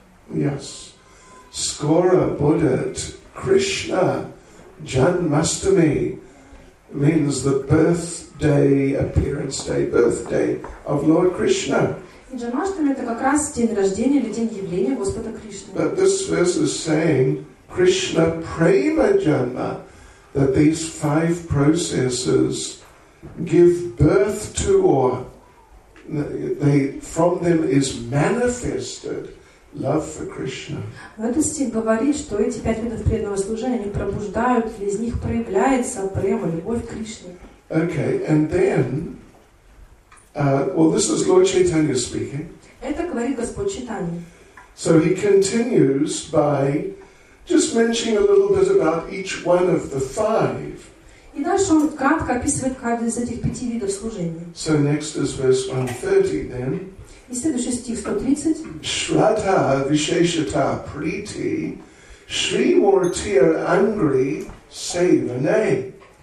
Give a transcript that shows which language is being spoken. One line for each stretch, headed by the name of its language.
English: Yes.
Russian: Скоро будет
English: Кришна джанмастами means the birthday, appearance day, birthday of Lord Krishna.
Russian: И джанмастами это как раз день рождения или день явления Господа Кришны.
English: But this verse is saying Krishna prema джанма, that these five processes give birth to, or they from them is manifested love for Krishna.
Russian: В этот стих говорит, что эти пять видов преданного служения они пробуждают, или из них проявляется према, любовь к Кришне.
English: Okay, and then, well, this is Lord Chaitanya speaking.
Russian: Это говорит Господь Читания.
English: So he continues by Just mentioning a little bit about each one of the five.
Russian: И дальше он кратко описывает каждый из этих пяти видов служения.
English: So next is verse 130 then.
Russian: И следующий стих 130.
Sanskrit: Shraddha visheshata priti shrimurtir angri sevane.